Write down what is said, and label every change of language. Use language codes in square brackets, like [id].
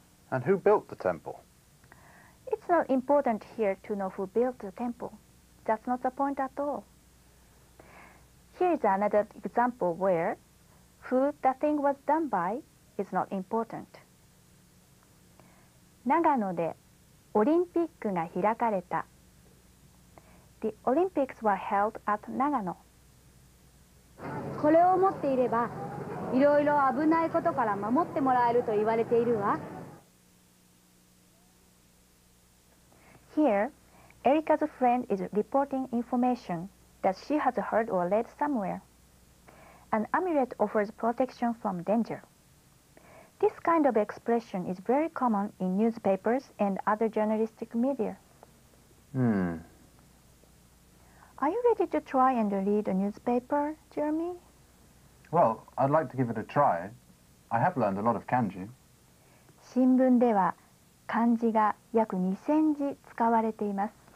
[en] And who built the temple? It's not important here to know who built the temple. That's not the point at all. Here is another example where who the thing was done by is not important. [ja] 長野でオリンピックが開かれた。 [en] The Olympics were held at 長野。 [ja] これを持っていればいろいろ危ないことから守ってもらえると言われているわ。 [en] Here, Erica's friend is reporting information that she has heard or read somewhere. An amulet offers protection from danger. This kind of expression is very common in newspapers and other journalistic media. Are you ready to try and read a newspaper, Jeremy? Well, I'd like to give it a try. I have learned a lot of kanji. [ja] 新聞では漢字が約2000字使われています。